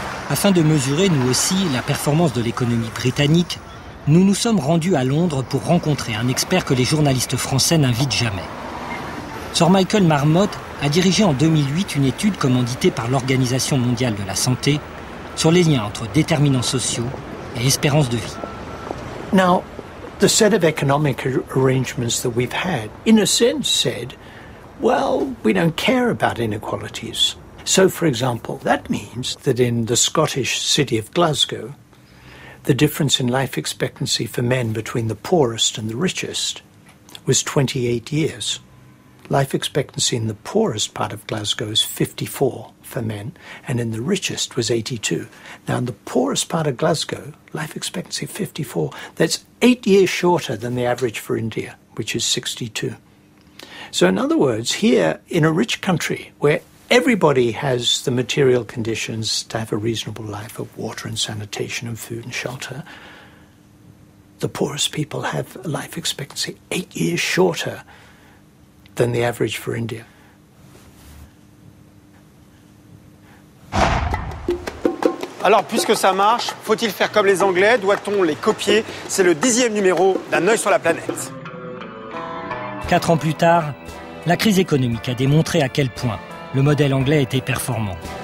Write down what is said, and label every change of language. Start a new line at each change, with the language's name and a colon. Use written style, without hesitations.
French: Afin de mesurer, nous aussi, la performance de l'économie britannique, nous nous sommes rendus à Londres pour rencontrer un expert que les journalistes français n'invitent jamais. Sir Michael Marmot a dirigé en 2008 une étude commanditée par l'Organisation mondiale de la santé sur les liens entre déterminants sociaux et espérance de vie.
English: Now, the set of economic arrangements that we've had, in a sense, said, well, we don't care about inequalities. So, for example, that means that in the Scottish city of Glasgow, the difference in life expectancy for men between the poorest and the richest was 28 years. Life expectancy in the poorest part of Glasgow is 54 for men, and in the richest was 82. Now, in the poorest part of Glasgow, life expectancy 54, that's 8 years shorter than the average for India, which is 62. So, in other words, here in a rich country where everybody has the material conditions to have a reasonable life of water and sanitation and food and shelter, the poorest people have a life expectancy 8 years shorter than the average for India.
French: Alors, puisque ça marche, faut-il faire comme les Anglais ? Doit-on les copier ? C'est le 10e numéro d'Un œil sur la planète. 4 ans plus tard, la crise économique a démontré à quel point le modèle anglais était performant.